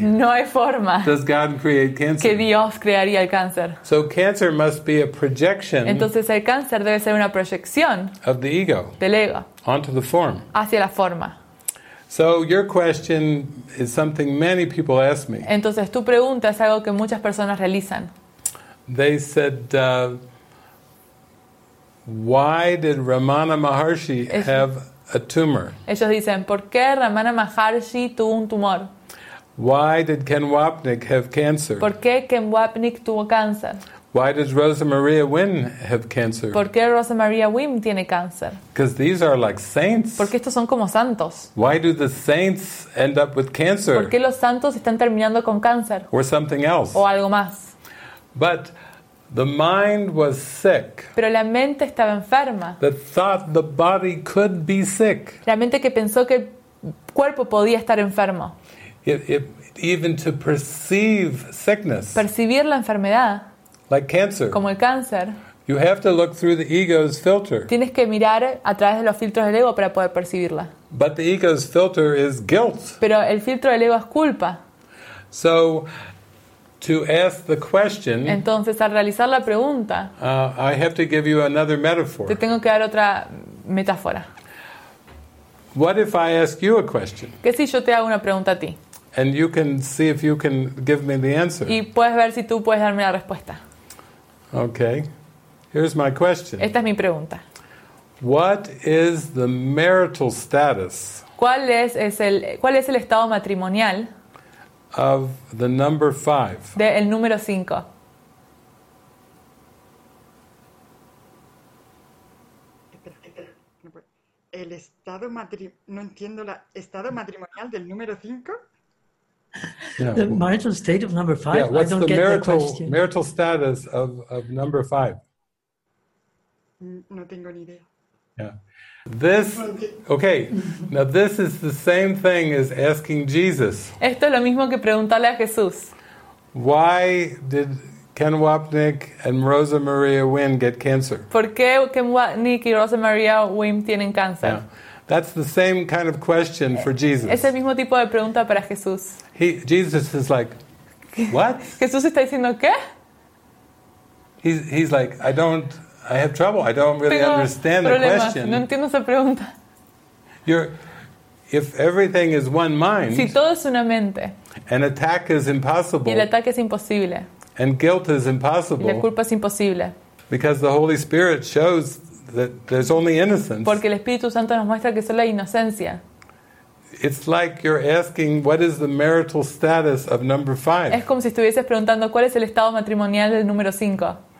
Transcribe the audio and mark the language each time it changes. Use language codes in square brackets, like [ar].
[es] No hay forma. [en] Does God create cancer? [es] Que Dios crearía el cáncer. [en] So cancer must be a projection. [es] Entonces el cáncer debe ser una proyección. [en] Of the ego. [es] Del ego. [en] Onto the form. [es] Hacia la forma. [en] So your question is something many people ask me. [es] Entonces tu pregunta es algo que muchas personas realizan. [en] They said, "Why did Ramana Maharshi have a tumor?" [es] Ellos dicen, ¿por qué Ramana Maharshi tuvo un tumor? [en] Why did Ken Wapnick have cancer? [es] ¿Por qué Ken Wapnick tuvo cáncer? [en] Why does Rosa Maria Wynn have cancer? [es] ¿Por qué Rosa Maria Wynn tiene cáncer? [en] Because these are like saints. [es] Porque estos son como santos. [en] Why do the saints end up with cancer? [es] ¿Por qué los santos están terminando con cáncer? [en] Or something else. [es] O algo más. [en] But the mind was sick. [es] Pero la mente estaba enferma. [en] The thought the body could be sick. [es] La mente que pensó que el cuerpo podía estar enfermo. [en] Even to perceive sickness. [es] Percibir la enfermedad. [en] Like cancer. [es] Como el cáncer. [en] You have to look through the ego's filter. [es] Tienes que mirar a través de los filtros del ego para poder percibirla. [en] But the ego's filter is guilt. [es] Pero el filtro del ego es culpa. [en] So, to ask the question. [es] Entonces, al realizar la pregunta. [en] I have to give you another metaphor. [es] Te tengo que dar otra metáfora. [en] What if I ask you a question? [es] ¿Qué si yo te hago una pregunta a ti? [en] And you can see if you can give me the answer. [es] Y puedes ver si tú puedes darme la respuesta. [en] Okay. Here's my question. [es] Esta es mi pregunta. [en] What is the marital status? [es] ¿Cuál es el estado matrimonial? [en] Of the number 5. [es] Del número 5. El estado no entiendo la estado matrimonial del número 5. [en] Yeah. The marital state of number 5. Yeah, what's I don't the get marital, the question. Marital status of number 5. [es] No tengo ni idea. [en] Yeah. This okay. Now this is the same thing as asking Jesus. [es] Esto es lo mismo que preguntarle a Jesús. [en] Why did Ken Wapnick and Rosa Maria Wynn get cancer? [es] ¿Por qué Ken Wapnick y Rosa Maria Wynn tienen cáncer? [en] Yeah. That's the same kind of question for Jesus. [es] Es el mismo tipo de pregunta para Jesús. [en] Jesus is like, what? [es] Jesús está diciendo qué? [en] He's like, I have trouble. I don't really [es] Tengo [en] understand [es] problemas. [en] The question. [es] No entiendo esa pregunta. [en] If everything is one mind. [es] Si todo es una mente. [en] An attack is impossible. [es] Y el ataque es imposible. [en] And guilt is impossible. [es] Y la culpa es imposible. [en] Because the Holy Spirit shows that there's only innocence. [es] Porque el Espíritu Santo nos muestra que solo hay inocencia. [en] It's like you're asking what is the marital status of number 5. [es] Es como si estuvieses preguntando cuál es el estado matrimonial del número 5.